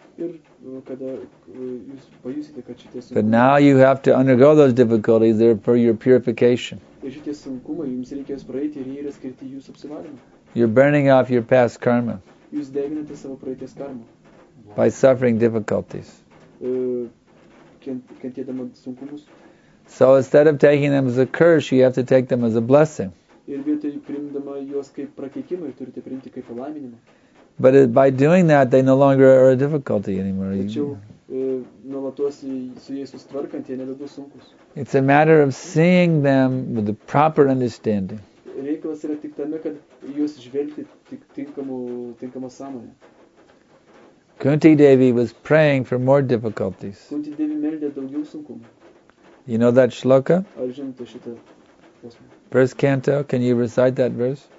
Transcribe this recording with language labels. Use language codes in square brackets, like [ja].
[lt] Ir kada jūs pajusite, kad šitie sunkumai. [en] But now you have to undergo those difficulties there for your purification. [lt] Ir šitie sunkumai jums reikės praeiti ir jie yra skirti jūsų apsivalymui. [en] You're burning off your past karma. [lt] Jūs deginate savo praeities karmą. [en] By suffering difficulties. [lt] Kentėdama sunkumus. [en] So instead of taking them as a curse, you have to take them as a blessing. [lt] Ir vietoj priimdama juos kaip prakeikimą, ir turite priimti kaip palaiminimą. [en] But by doing that, they no longer are a difficulty anymore. [lt] Tačiau, nuolatos su jais sustvarkant, jie nebebus sunkus. [en] It's a matter of seeing them with the proper understanding. [lt] Reikalas yra tik tame, kad juos žvelgti tik tinkamą sąmonę. [en] Kunti Devi was praying for more difficulties. [lt] Kunti Devi meldė daugiau sunkumų. [en] You know that shloka? [lt] Ar žinote šitą? [en] First canto, can you recite that verse?